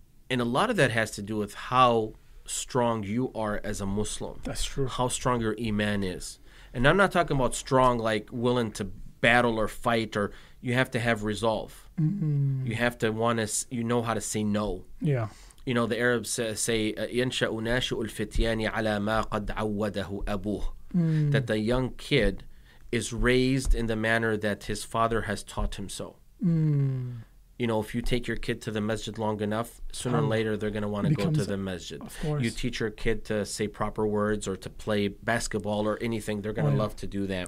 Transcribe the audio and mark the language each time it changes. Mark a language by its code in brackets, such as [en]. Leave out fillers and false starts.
[en] And a lot of that has to do with how strong you are as a Muslim. That's true. How strong your iman is. And I'm not talking about strong, like willing to battle or fight, or you have to have resolve. Mm-hmm. You have to want to, you know how to say no. Yeah. You know, the Arabs say [ar] ينشأ ناشئ الفتيان على ما قد عوده أبوه. [en] That the young kid is raised in the manner that his father has taught him so. You know, if you take your kid to the masjid long enough, sooner or later they're going to want to go to the masjid. Of course. You teach your kid to say proper words or to play basketball or anything, they're going to love to do that.